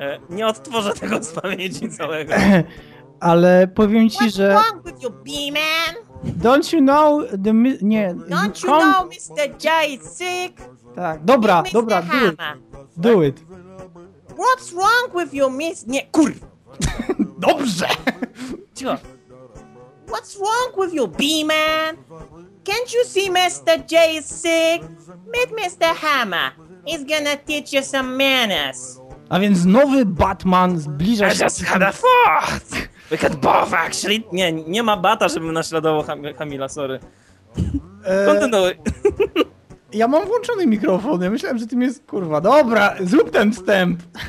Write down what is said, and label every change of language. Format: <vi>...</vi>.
<pl>Nie odtworzę tego z pamięci całego. Ale powiem ci, że...</pl> <en>What's wrong with you, B-man? Don't you know the...</en> <pl>Nie.</pl> <en>Don't you know Mr. Jai is sick?</en> <pl>Tak, dobra, Mr. dobra, Hama.</pl> <en>Do it. Do it. What's wrong with you, Miss...</en> <pl>Nie, kur... Dobrze! Cicho.</pl> <en>What's wrong with you, B-man? Can't you see Mr. Jai is sick? Meet Mr. Hammer. He's gonna teach you some manners.</en> <pl>A więc nowy Batman zbliża się...</pl> <en>I just had a thought! We could both actually...</en> <pl>Nie, nie ma bata, żebym naśladował Kamila, sorry. Kontynuuj. Ja mam włączony mikrofon, ja myślałem, że tym jest... Kurwa, dobra, zrób ten wstęp.</pl>